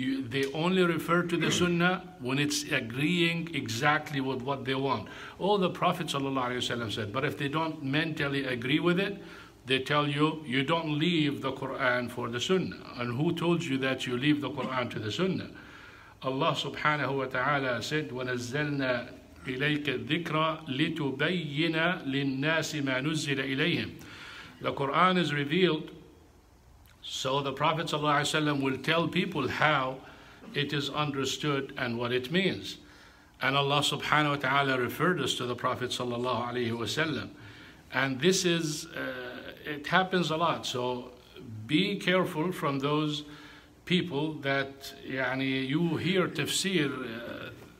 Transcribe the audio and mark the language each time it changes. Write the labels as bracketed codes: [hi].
[en] They only refer to the Sunnah when it's agreeing exactly with what they want. All the Prophet [ar] sallallahu alaihi wasallam [en] said, but if they don't mentally agree with it, they tell you, you don't leave the Quran for the Sunnah. And who told you that you leave the Quran to the Sunnah? Allah subhanahu wa ta'ala said, [ar] وَنَزَّلْنَا إليك الذكرى لتبين للناس ما نزل إليهم. [en] The Quran is revealed, so the Prophet [ar] صلى الله عليه وسلم [en] will tell people how it is understood and what it means. And Allah [ar] subhanahu wa ta'ala [en] referred us to the Prophet [ar] sallallahu alayhi wa sallam. [en] And this is, it happens a lot. So be careful from those people that, yani, you hear tafsir.